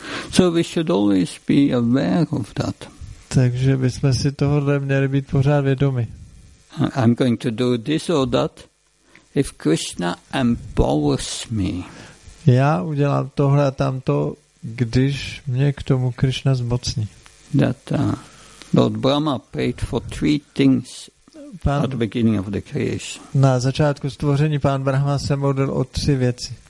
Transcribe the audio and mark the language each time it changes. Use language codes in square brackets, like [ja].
[en] So we should always be aware of that. [cs] Takže bychom si tohle měli být pořád vědomi. [en] I'm going to do this or that if Krishna empowers me. [cs] Já udělám tohle a tamto, když mě k tomu Krishna zmocní. [en] Lord Brahma prayed for three things pán, at the beginning of the creation. [cs] Na začátku stvoření pán Brahma se modlil o tři věci.